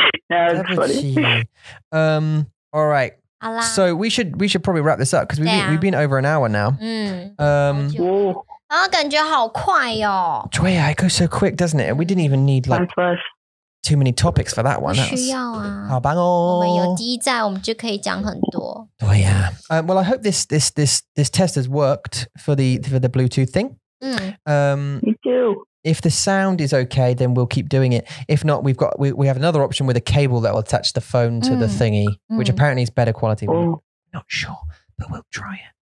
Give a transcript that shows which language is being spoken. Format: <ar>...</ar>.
<en>No, that's funny. All right. So we should probably wrap this up because we've been over an hour now.</en> <zh>Mm. 感觉好快哦。对啊,</zh> <en>it goes so quick, doesn't it? And we didn't even need like too many topics for that one.</en> <zh>不需要啊。好棒哦。我们有第一站，我们就可以讲很多。对啊。</zh> <en>Well, I hope this test has worked for the Bluetooth thing. Mm. Me too. If the sound is okay, then we'll keep doing it. If not, we have another option with a cable that will attach the phone to the thingy, which apparently is better quality. We're not sure, but we'll try it.</en>